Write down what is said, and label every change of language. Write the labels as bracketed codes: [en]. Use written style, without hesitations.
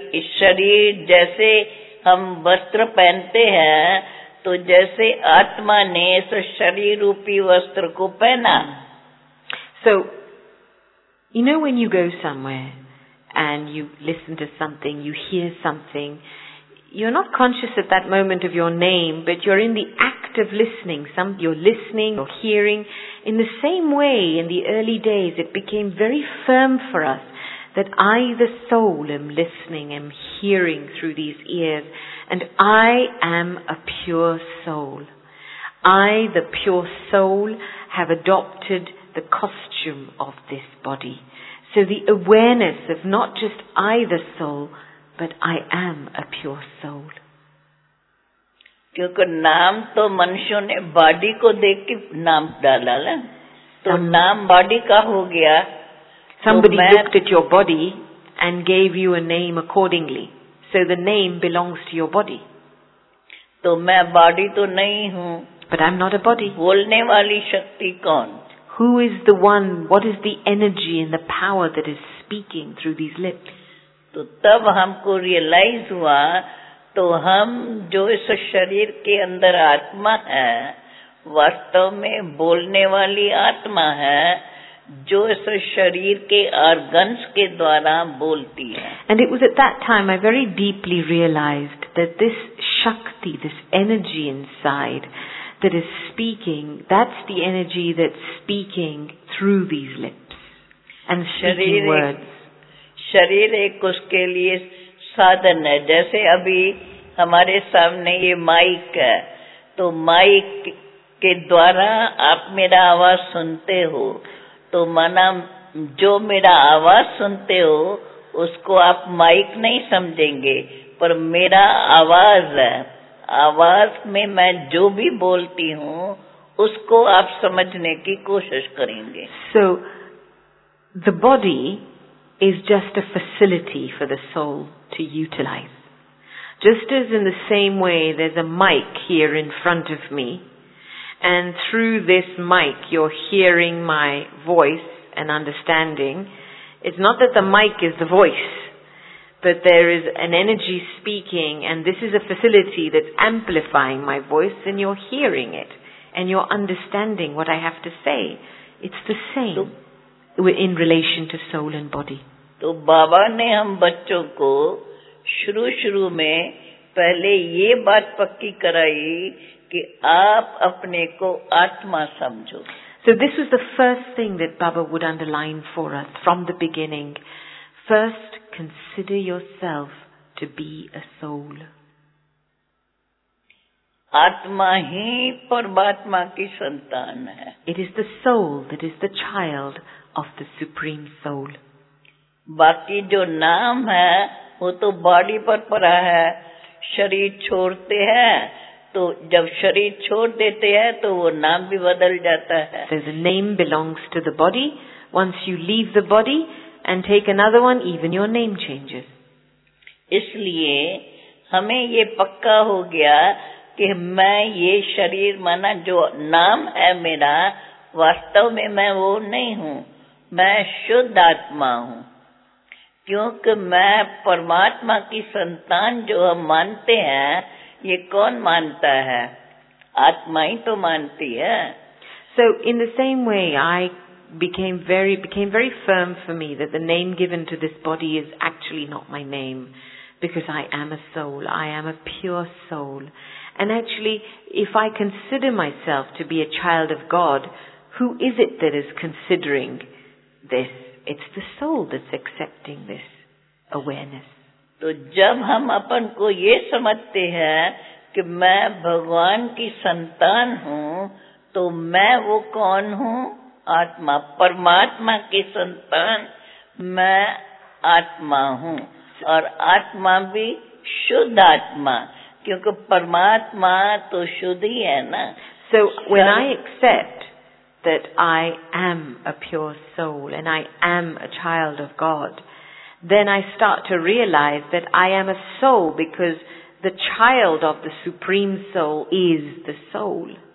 [hi] शरीर जैसे हम वस्त्र पहनते हैं, तो जैसे आत्मा ने इस शरीर रूपी वस्त्र को पहना। [en] So, you know when you go somewhere and you listen to something, you hear something, you're not conscious at that moment of your name, but you're in the act of listening. You're listening or hearing. In the same way, in the early days, it became very firm for us that I, the soul, am listening, am hearing through these ears, and I am a pure soul. I, the pure soul, have adopted the costume of this body. So the awareness of not just I, the soul, but I am a pure soul. [hi] क्योंकि नाम तो मनुष्यों ने body को देख के नाम डाला ना, तो नाम बॉडी का हो गया। [en] Somebody looked at your body and gave you a name accordingly. So the name belongs to your body. [hi] तो मैं बॉडी तो नहीं हूँ। [en] But I'm not a body. [hi] बोलने वाली शक्ति कौन? [en] Who is the one? What is the energy and the power that is speaking through these lips? [hi] तो तब हमको रियलाइज हुआ, तो हम जो इस शरीर के अंदर आत्मा है, वास्तव में बोलने वाली आत्मा है, जो इस शरीर के ऑर्गन्स के द्वारा बोलती है। [en] And it was at that time I very deeply realized that this shakti, this energy inside that is speaking, that's the energy that's speaking through these lips and speaking words. [hi] शरीर एक उसके लिए साधन है। जैसे अभी हमारे सामने ये माइक है, तो माइक के द्वारा आप मेरा आवाज सुनते हो, तो माना जो मेरा आवाज सुनते हो उसको आप माइक नहीं समझेंगे, पर मेरा आवाज है, आवाज में मैं जो भी बोलती हूँ उसको आप समझने की कोशिश करेंगे। [en] So the body is just a facility for the soul to utilize. Just as in the same way there's a mic here in front of me, and through this mic you're hearing my voice and understanding, it's not that the mic is the voice, but there is an energy speaking, and this is a facility that's amplifying my voice, and you're hearing it and you're understanding what I have to say. It's the same in relation to soul and body. [hi] तो बाबा ने हम बच्चों को शुरू शुरू में पहले ये बात पक्की कराई कि आप अपने को आत्मा समझो। [en] So this was the first thing that Baba would underline for us from the beginning. First, consider yourself to be a soul. [hi] आत्मा ही परमात्मा की संतान है। [en] It is the soul that is the child of the Supreme Soul. [hi] बाकी जो नाम है वो तो बॉडी पर पड़ा है, शरीर छोड़ते हैं तो जब शरीर छोड़ देते हैं तो वो नाम भी बदल जाता है। [en] So the name belongs to the body. Once you leave the body and take another one, even your name changes. [hi] इसलिए हमें ये पक्का हो गया कि मैं ये शरीर, माना जो नाम है मेरा, वास्तव में मैं वो नहीं हूँ, मैं शुद्ध आत्मा हूँ। क्योंकि मैं परमात्मा की संतान जो हम मानते हैं, ये कौन मानता है? आत्मा ही तो मानती है। [en] So in the same way, I became very firm for me that the name given to this body is actually not my name, because I am a soul, I am a pure soul, and actually if I consider myself to be a child of God, who is it that is considering this? It's the soul that's accepting this awareness. [hi] तो जब हम अपन को ये समझते हैं कि मैं भगवान की संतान हूँ, तो मैं वो कौन हूँ? आत्मा, परमात्मा की संतान, मैं आत्मा हूँ, और आत्मा भी शुद्ध आत्मा, क्योंकि परमात्मा तो शुद्ध ही है ना। [en] So when I accept that I am a pure soul and I am a child of God, then I start to realize that I am a soul because the child of the Supreme Soul is the soul.